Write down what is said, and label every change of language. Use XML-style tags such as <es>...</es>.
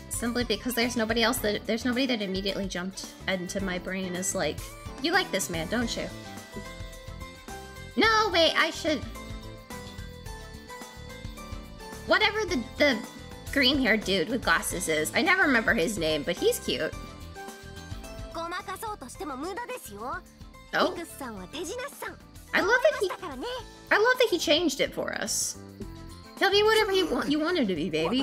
<en>Simply because there's nobody that immediately jumped into my brain as like, you like this man, don't you? No, wait, I should. Whatever the... Green haired dude with glasses is. I never remember his name, but he's cute.</en> <ja>ごまかそうとしても無駄ですよ。</ja> <en>Oh.</en> <ja>フィクスさんは手品師さん。</ja> <en>I love that he changed it for us. He'll be whatever you want him to be, baby.</en>